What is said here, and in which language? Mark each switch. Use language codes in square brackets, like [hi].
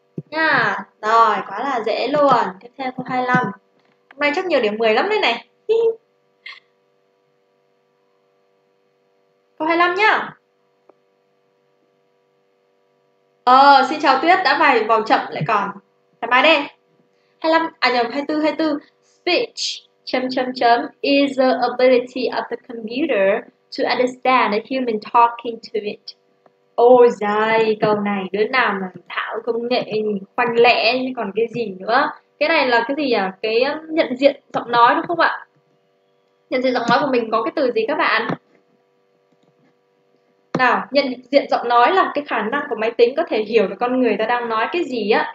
[vi] Nha, rồi, quá là dễ luôn. Tiếp theo câu 25. Hôm nay chắc nhiều điểm 10 lắm đấy này. Câu 25 nhá. Xin chào Tuyết, đã vài vào chậm lại còn. Thoải mái đi. 25, à nhầm, 24. [en] Speech, [vi] chấm chấm chấm, [en] is the ability of the computer to understand a human talking to it. [vi] Ôi giời, câu này đứa nào mà thạo công nghệ khoanh lẹ chứ còn cái gì nữa. Cái này là cái gì à? Cái nhận diện giọng nói đúng không ạ? Nhận diện giọng nói của mình có cái từ gì các bạn? Nào, nhận diện giọng nói là cái khả năng của máy tính có thể hiểu được con người ta đang nói cái gì á.